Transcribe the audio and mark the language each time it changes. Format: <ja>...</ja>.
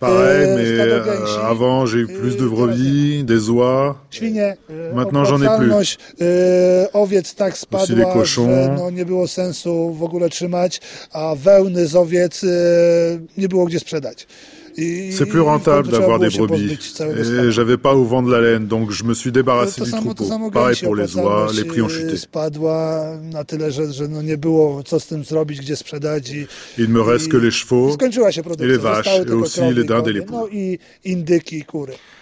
<fr>Pareil, mais avant j'ai eu plus de brebis, des oies, maintenant j'en ai plus.</fr> <pl>Owiec tak spadła,</pl> <fr>aussi des cochons.</fr> <pl>Że, no, nie było sensu w ogóle trzymać, a wełny z owiec nie było gdzie sprzedać.</pl> <fr>C'est plus rentable d'avoir des brebis. Et j'avais pas où vendre la laine, donc je me suis débarrassé du troupeau. Pareil pour les oies, les prix ont chuté. Il ne me reste que les chevaux et les vaches, et aussi les dindes et les poules.</fr>